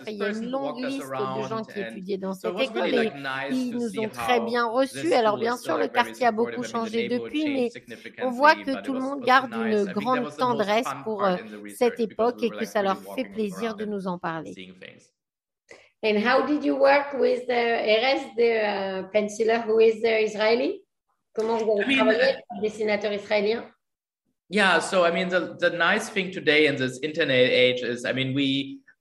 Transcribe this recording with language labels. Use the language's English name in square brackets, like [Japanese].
[French] Il y a une longue liste de gens qui étudiaient dans cette école et ils nous ont très bien reçus. Alors, bien sûr, le quartier a beaucoup changé depuis, mais on voit que tout le monde garde une grande tendresse pour cette époque et que ça leur fait plaisir de nous en parler. [English] And how did you work with Erez, the penciler who is Israeli? [French] Comment vous avez travaillé avec le dessinateur israélien? [English] Yeah, so I mean the nice thing today in this internet age is, I mean, we